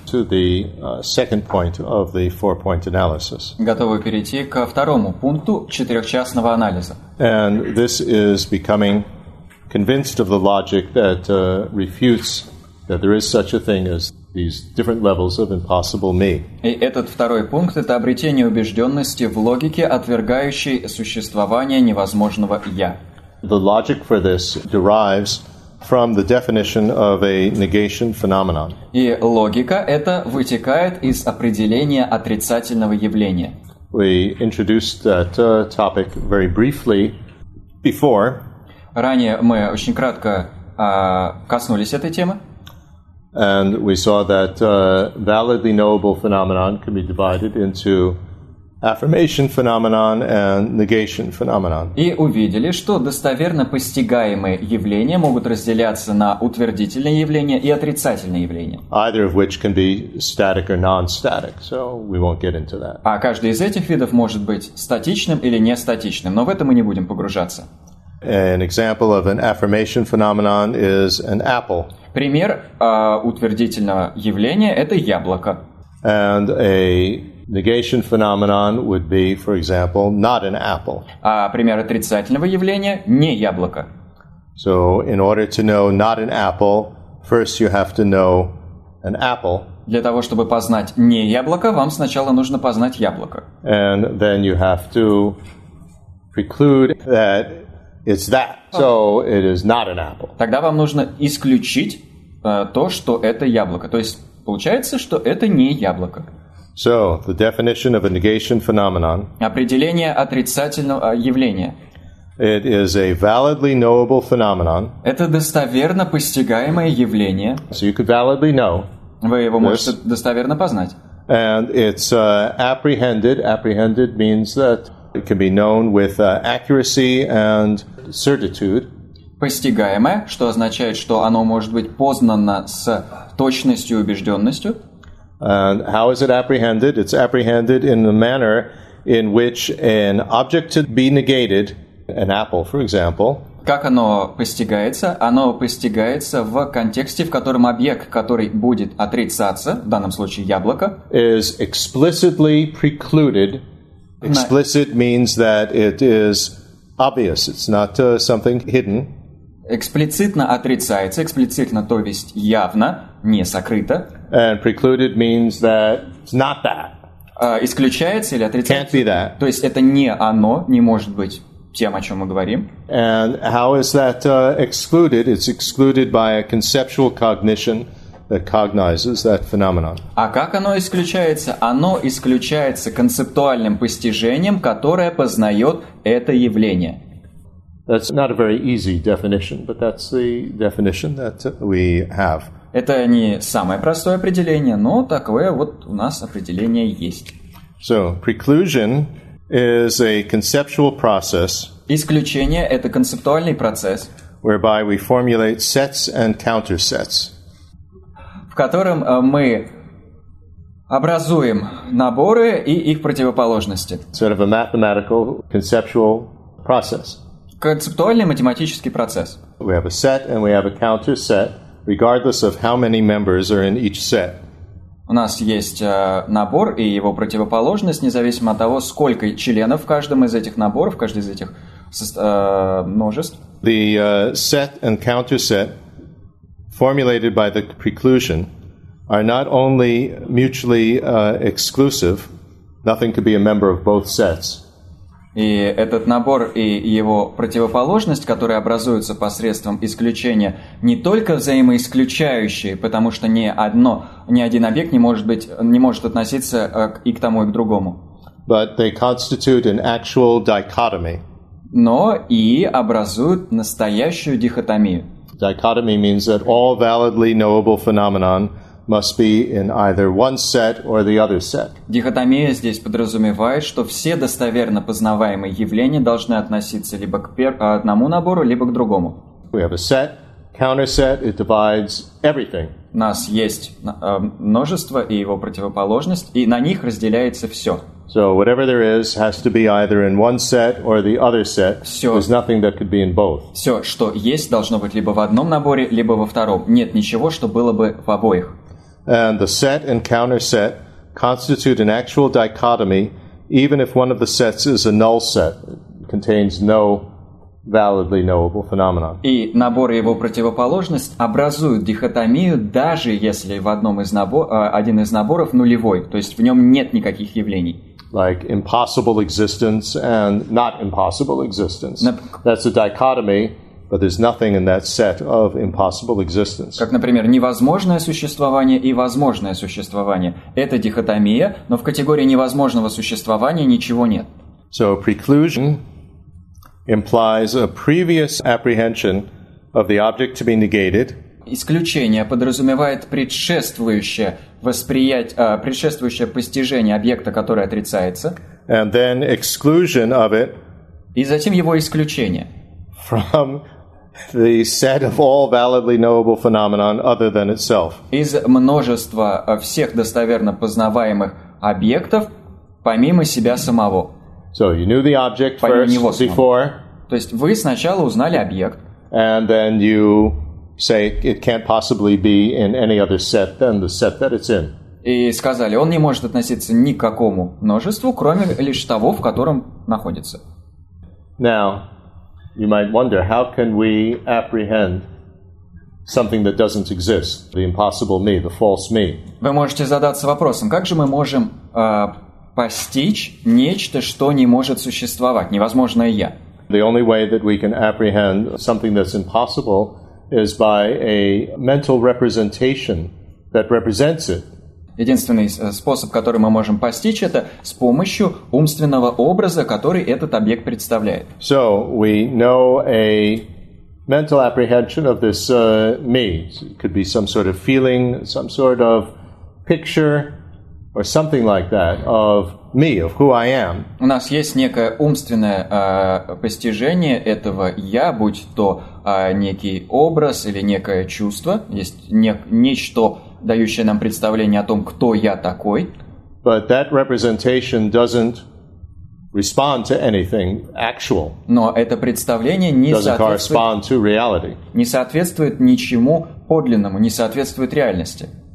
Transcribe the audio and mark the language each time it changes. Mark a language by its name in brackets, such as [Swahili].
[English] To the second point of the four-point analysis. [Russian] Готовы перейти ко второму пункту четырехчастного анализа. [English] And this is becoming convinced of the logic that refutes that there is such a thing as these different levels of impossible me. [Russian] И этот второй пункт – это обретение убежденности в логике, отвергающей существование невозможного я. [English] The logic for this derives from the definition of a negation phenomenon. [Russian] И логика эта вытекает из определения отрицательного явления. [English] We introduced that topic very briefly before. [Russian] Ранее мы очень кратко коснулись этой темы. [English] And we saw that validly knowable phenomenon can be divided into affirmation phenomenon and negation phenomenon. [Russian] И увидели, что достоверно постигаемые явления могут разделяться на утвердительные явления и отрицательные явления. [English] Either of which can be static or non-static, so we won't get into that. [Russian] А каждый из этих видов может быть статичным или нестатичным, но в это мы не будем погружаться. [English] An example of an affirmation phenomenon is an apple. [Russian] Пример утвердительного явления – это яблоко. [English] And a negation phenomenon would be, for example, not an apple. [Russian] А пример отрицательного явления – не яблоко. [English] So, in order to know not an apple, first you have to know an apple. [Russian] Для того, чтобы познать не яблоко, вам сначала нужно познать яблоко. [English] And then you have to preclude that it's that, so it is not an apple. [Russian] Тогда вам нужно исключить то, что это яблоко. То есть получается, что это не яблоко. [English] So, the definition of a negation phenomenon. [Russian] Определение отрицательного явления. [English] It is a validly knowable phenomenon. [Russian] Это достоверно постигаемое явление. [English] So you could validly know. [Russian] Вы его можете достоверно познать. [English] And it's apprehended. Apprehended means that it can be known with accuracy and certitude. [Russian] Постигаемое, что означает, что оно может быть познано с точностью и убежденностью. [English] And how is it apprehended? It's apprehended in the manner in which an object to be negated, an apple, for example. [Russian] Как оно постигается? Оно постигается в контексте, в котором объект, который будет отрицаться, в данном случае яблоко, [English] is explicitly precluded. Explicit means that it is obvious. It's not something hidden. [Russian] Эксплицитно отрицается, эксплицитно, то есть явно, не сокрыто. [English] And precluded means that it's not that. [Russian] Исключается или отрицается? [English] Can't be that. [Russian] То есть это не оно, не может быть тем, о чем мы говорим. [English] And how is that excluded? It's excluded by a conceptual cognition that cognizes that phenomenon. [Russian] А как оно исключается? Оно исключается концептуальным постижением, которое познает это явление. [English] That's not a very easy definition, but that's the definition that we have. [Russian] Это не самое простое определение, но такое вот у нас определение есть. [English] So, preclusion is a conceptual process. [Russian] Исключение – это концептуальный процесс. [English] Whereby we formulate sets and countersets. [Russian] В котором мы образуем наборы и их противоположности. [English] Sort of a mathematical conceptual process. [Russian] Концептуальный математический процесс. [English] We have a set and we have a counterset, regardless of how many members are in each set. [Russian] У нас есть набор и его противоположность, независимо от того, сколько членов в каждом из этих наборов, в каждой из этих множеств. [English] The set and counterset formulated by the preclusion are not only mutually exclusive, nothing could be a member of both sets. [Russian] И этот набор и его противоположность, которые образуются посредством исключения, не только взаимоисключающие, потому что ни один объект не может относиться и к тому, и к другому. [English] But they constitute an actual dichotomy. [Russian] Но и образуют настоящую дихотомию. [English] Dichotomy means that all validly knowable phenomenon must be in either one set or the other set. [Russian] Дихотомия здесь подразумевает, что все достоверно познаваемые явления должны относиться либо к одному набору, либо к другому. [English] We have a set counterset, it divides everything. [Russian] У нас есть множество и его противоположность, и на них разделяется все. [English] So whatever there is has to be either in one set or the other set. [Russian] Все, [English] there's nothing that could be in both. [Russian] Все, что есть, должно быть либо в одном наборе, либо во втором. Нет ничего, что было бы в обоих. [English] And the set and counterset constitute an actual dichotomy, even if one of the sets is a null set. It contains no validly knowable phenomenon. [Russian] И набор и его противоположность образуют дихотомию, даже если в одном из один из наборов нулевой, то есть в нем нет никаких явлений. [English] Like impossible existence and not impossible existence. That's a dichotomy, but there's nothing in that set of impossible existence. [Russian] Как, например, невозможное существование и возможное существование. Это дихотомия, но в категории невозможного существования ничего нет. [English] So preclusion implies a previous apprehension of the object to be negated. [Russian] Исключение подразумевает предшествующее предшествующее постижение объекта, который отрицается. [English] And then exclusion of it. [Russian] И затем его исключение. [English] From the set of all validly knowable phenomena other than itself. [Russian] Из множества всех достоверно познаваемых объектов, помимо себя самого. [English] So you knew the object first before. [Russian] То есть вы сначала узнали объект. [English] And then you say it can't possibly be in any other set than the set that it's in. [Russian] И сказали, он не может относиться ни к какому множеству, кроме лишь того, в котором находится. [English] Now, you might wonder, how can we apprehend something that doesn't exist? The impossible me, the false me. [Russian] Вы можете задаться вопросом, как же мы можем постичь нечто, что не может существовать, невозможное я? [English] The only way that we can apprehend something that's impossible is by a mental representation that represents it. [Russian] Единственный способ, который мы можем постичь это с помощью умственного образа, который этот объект представляет. [English] So, we know a mental apprehension of this me. It could be some sort of feeling, some sort of picture or something like that of me, of who I am. [Russian] У нас есть некое умственное постижение этого я, будь то некий образ или некое чувство, есть нечто, дающее нам представление о том, кто я такой. [English] But that representation doesn't respond to anything actual. [Russian] Но это представление не соответствует ничему подлинному, не соответствует реальности.